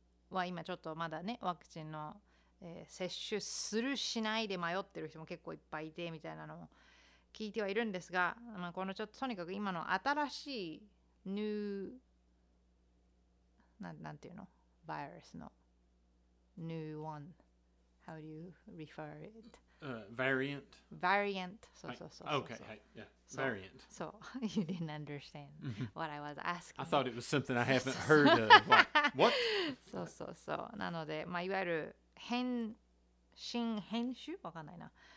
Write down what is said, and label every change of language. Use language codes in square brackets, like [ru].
[ja] は今ちょっとまだねワクチンの、接種するしないで迷ってる人も結構いっぱいいてみたいなのも聞いてはいるんですが、まあ、このちょっととにかく今の新しいニュー なんていうのバイルスのニューワン [en] How do you refer it? Variant? Variant. So, so, so. Okay, yeah. So, variant. So, you didn't understand what I was asking. I thought it was something I haven't heard of. Like, what? So, so, so. [ja] なので、まあ、いわゆる変身変種わかんないな。